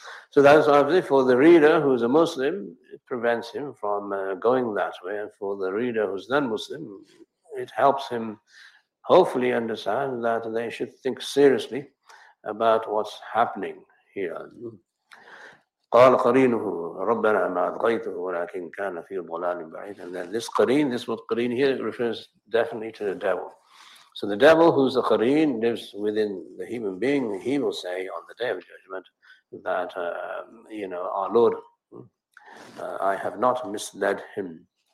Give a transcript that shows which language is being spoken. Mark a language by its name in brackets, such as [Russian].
[English] So that's obviously for the reader who is a Muslim, it prevents him from going that way. And for the reader who's non-Muslim, it helps him hopefully understand that they should think seriously about what's happening here. [Arabic] قال قرينه ربنا ما أضغيته ولكن كان في ضلال بعيد. [English] And then this qareen, this word qareen here, refers definitely to the devil. So the devil, who's the qareen, lives within the human being. He will say on the day of judgment that, our Lord, I have not misled him.